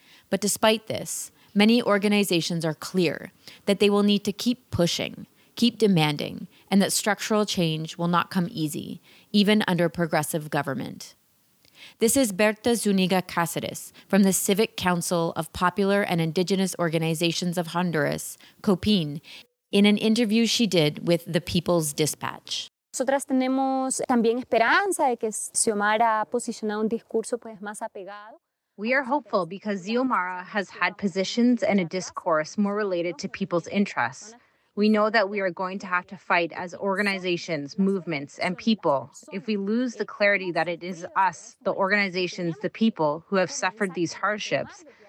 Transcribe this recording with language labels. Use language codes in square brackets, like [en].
[en] But despite this, many organizations are clear that they will need to keep pushing, keep demanding, and that structural change will not come easy, even under a progressive government. This is Berta Zuniga Cáceres from the Civic Council of Popular and Indigenous Organizations of Honduras, COPIN, in an interview she did with The People's Dispatch. [es] Nosotras tenemos también esperanza de que Xiomara ha posicionado un discurso pues más apegado. [en] We are hopeful because Xiomara has had positions and a discourse more related to people's interests. We know that we are going to have to fight as organizations, movements, and people if we lose the clarity that it is us, the organizations, the people who have suffered these hardships.